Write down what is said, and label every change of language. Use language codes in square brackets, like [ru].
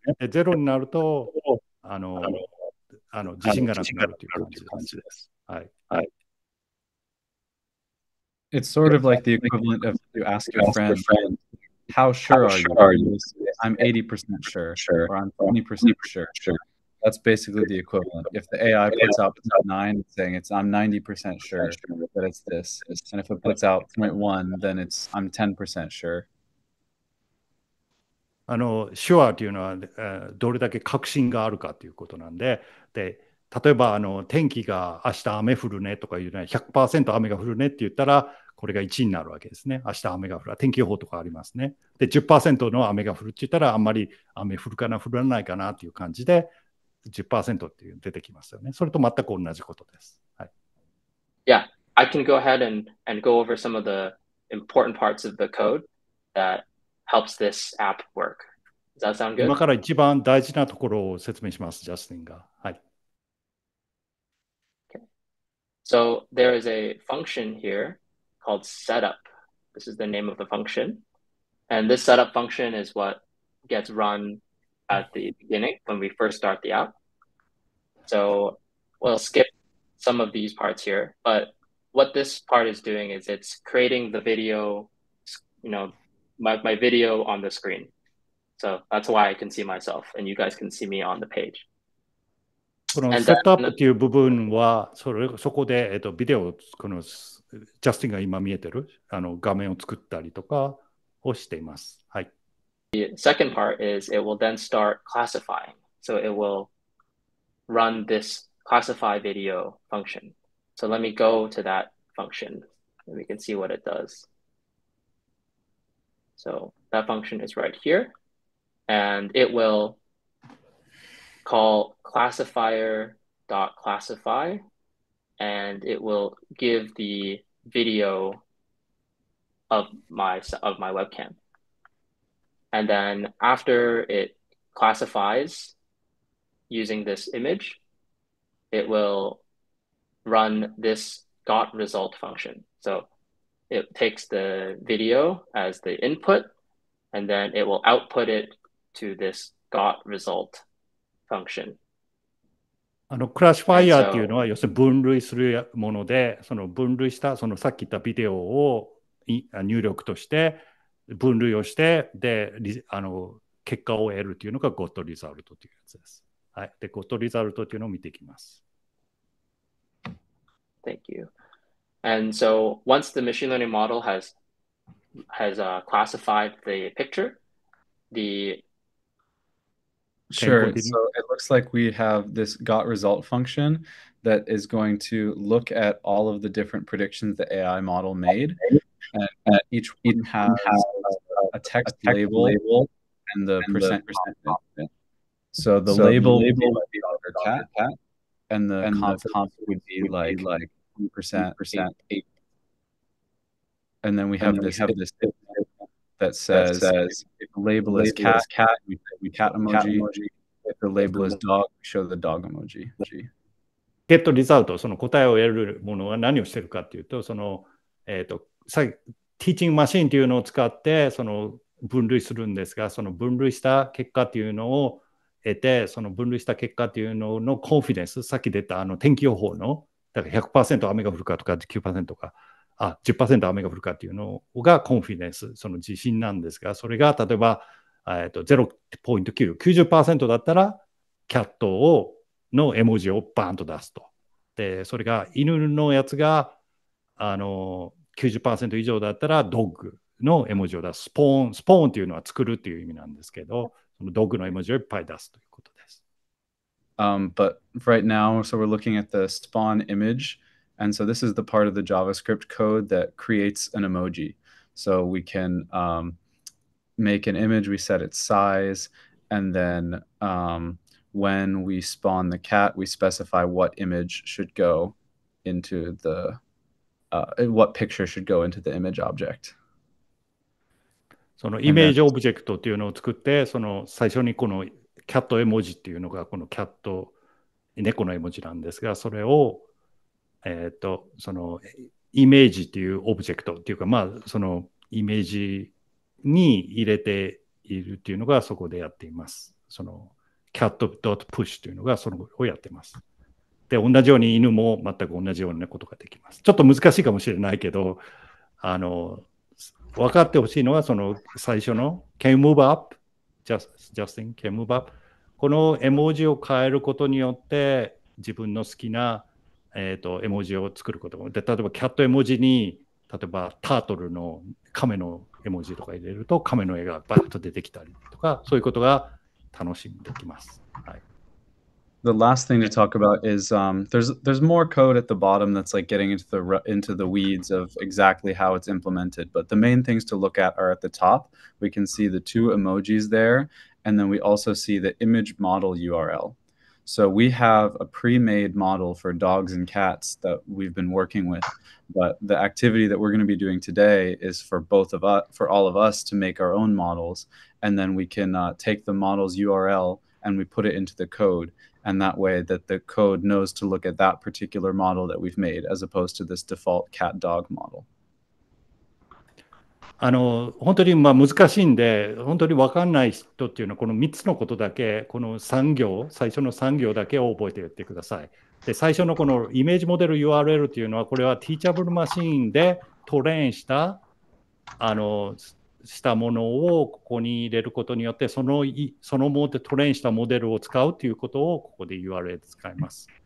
[ja] で、ゼロになると自信がなくなるっていう感じです。はい。 [en] It's sort of like the equivalent of you ask your friend. How sure are you? I'm 80% sure, or I'm 20% sure. That's basically the equivalent. If the AI puts out 0.9, it's saying I'm 90% sure that it's this. And if it puts out 0.1, then it's I'm 10% sure. [ja] Sure というのは、どれだけ確信があるかということなんで、で、例えば天気が明日雨降るねとか言うね、100% 雨が降るねって言ったら、これが1になるわけですね。明日雨が降る。天気予報とかありますね。で、10% の雨が降るって言ったら、あんまり雨降るかな、降らないかなっていう感じで、10% っていう出てきますよね。それと全く同じことです。はい。 [en] Yeah, I can go ahead and go over some of the important parts of the code that helps this app work. Does that sound good? [ja] 今から一番大事なところを説明します、ジャスティンが。はい。 [en] Okay. So, there is a function here. Called setup. This is the name of the function. And this setup function is what gets run at the beginning when we first start the app. So we'll skip some of these parts here. But what this part is doing is it's creating the video, my video on the screen. So that's why I can see myself and you guys can see me on the page. [ja] このセットアップっていう部分は、そこで、ビデオ、このジャスティンが今見えてる画面を作ったりとかをしています。はい。 [en] The second part is it will then start classifying. So it will run this classify video function. So let me go to that function and we can see what it does. So that function is right here and it will call classifier.classify and it will give the video of my webcam. And then after it classifies using this image, it will run this gotResult function. So it takes the video as the input, and then it will output it to this gotResult function. [ja] クラシファイアっていうのは要するに分類するもので、その分類したそのさっき言ったビデオを入力として分類をして、で結果を得るというのがゴットリザルトというやつです。はい、でゴットリザルトというのを見ていきます。 [en] Thank you. And so once the machine learning model has classified the picture, the Sure. So it looks like we have this gotResult function that is going to look at all of the different predictions the AI model made. And each one has a text label and the percent. So the label would be Dr. Cat, and the conf would be like 1%, 8%. And then we have this that says, if the label is cat, we cat emoji. If the label is dog, we show the dog emoji. Get the result, [ja] その答えを得るものは何をしてるかっていうと、その、さ、ティーチングマシンっていうのを使って、その分類するんですが、その分類した結果っていうのを得て、その分類した結果っていうののコンフィデンス、さっき出たあの天気予報の、だから 100% 雨が降るかとか 9% か。あ、10% 雨が降るかっていうのがコンフィデンス、その自信なんですが、それが例えば、0.9、90% だったら、キャットをの絵文字をバーンと出すと。で、それが犬のやつが、90% 以上だったら、ドッグの絵文字を出す。スポーンっていうのは作るっていう意味なんですけど、そのドッグの絵文字をいっぱい出すということです。 [en] But right now, so we're looking at the spawn image. And so this is the part of the JavaScript code that creates an emoji. So we can make an image, we set its size, and then when we spawn the cat, we specify what image should go into the, what picture should go into the image object. [ja] そのイメージオブジェクトっていうのを作って、その最初にこのキャット絵文字っていうのがこのキャット、猫の絵文字なんですが、それをそのイメージっていうオブジェクトっていうか、まあそのイメージに入れているっていうのがそこでやっています。そのキャット .push というのがそのをやっています。で、同じように犬も全く同じようなことができます。ちょっと難しいかもしれないけど、分かってほしいのはその最初の [en] can you move up [ja] Justin can you move up、 この絵文字を変えることによって自分の好きな絵文字を作ることもで、例えばキャット絵文字に例えばタートルの亀の絵文字とか入れると亀の絵がバッと出てきたりとか、そういうことが楽しみできます。はい。 [en] The last thing to talk about is there's more code at the bottom that's like getting into the weeds of exactly how it's implemented. But the main things to look at are at the top. We can see the two emojis there, and then we also see the image model URL. So we have a pre-made model for dogs and cats that we've been working with, but the activity that we're going to be doing today is for both of us, for all of us to make our own models, and then we can take the model's URL and we put it into the code, and that way that the code knows to look at that particular model that we've made as opposed to this default cat dog model. [ja] 本当にまあ難しいんで、本当に分かんない人っていうのはこの3つのことだけ、この3行、最初の3行だけを覚えていってください。で、最初のこのイメージモデル URL っていうのは、これはティーチャブルマシーンでトレーンしたしたものをここに入れることによって、そのモデルトレーンしたモデルを使うということをここで URL で使います。